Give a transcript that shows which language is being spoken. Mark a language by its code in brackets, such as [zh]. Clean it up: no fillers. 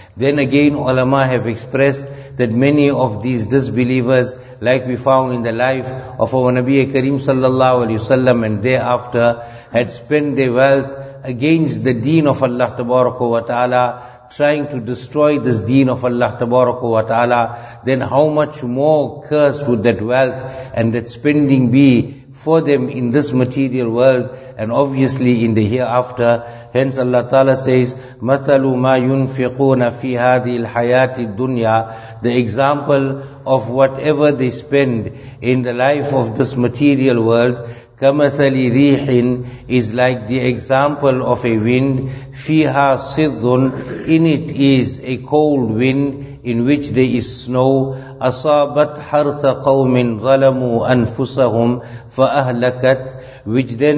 [en] Then again, ulama have expressed that many of these disbelievers, like we found in the life of our Nabi Kareem sallallahu alayhi wasallam and thereafter, had spent their wealth against the deen of Allah tabaraka wa ta'ala, trying to destroy this deen of Allah tabaraka wa ta'ala, then how much more cursed would that wealth and that spending be for them in this material world and obviously in the hereafter. Hence Allah Ta'ala says, [ar] مَثَلُ مَا يُنْفِقُونَ فِي هَذِي الْحَيَاةِ الدُّنْيَا. [en] The example of whatever they spend in the life of this material world, [ar] كَمَثَلِ رِيحٍ, [en] is like the example of a wind, [ar] فِيهَا صِدٌ, [en] in it is a cold wind in which there is snow, [ar] أَصَابَتْ حَرْثَ قَوْمٍ ظَلَمُوا أَنفُسَهُمْ فَأَهْلَكَتْ, [en] which